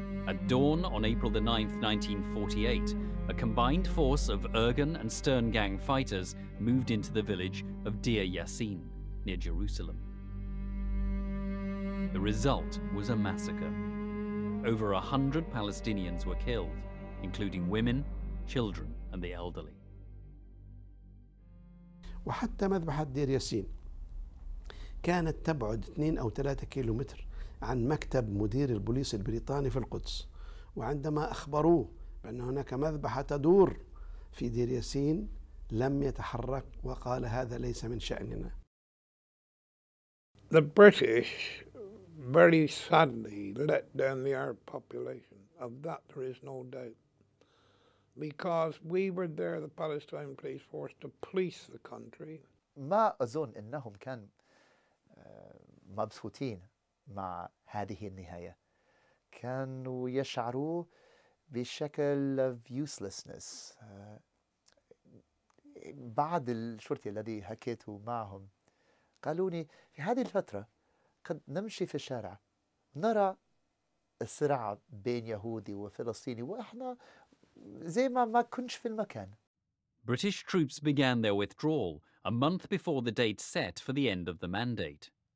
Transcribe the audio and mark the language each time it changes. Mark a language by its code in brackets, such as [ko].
[en] At dawn on April the 9th, 1948, a combined force of Ergun and Stern Gang fighters moved into the village of Deir Yassin, near Jerusalem. The result was a massacre. Over 100 Palestinians were killed, including women, children, and the elderly. [ar] وحتى مذبحة دير ياسين كانت تبعد 2 أو 3 كيلومتر عن مكتب مدير البوليس البريطاني في القدس. وعندما أخبروه بأن هناك مذبحة تدور في دير ياسين لم يتحرك وقال هذا ليس من شأننا. [en] The British very sadly let down the Arab population. Of that there is no doubt. Because we were there, the Palestine police force, to police the country. [ar] ما أظن أنهم كان مبسوطين مع هذه النهاية. كانوا يشعروا بشكل [en] of uselessness. [ar] بعض الشرطي الذي حكيت معهم قالوا لي في هذه الفترة قد نمشي في الشارع نرى الصراع بين يهودي وفلسطيني وإحنا زي ما كنش في المكان. [en] British troops began their withdrawal a month before the date set for the end of the mandate.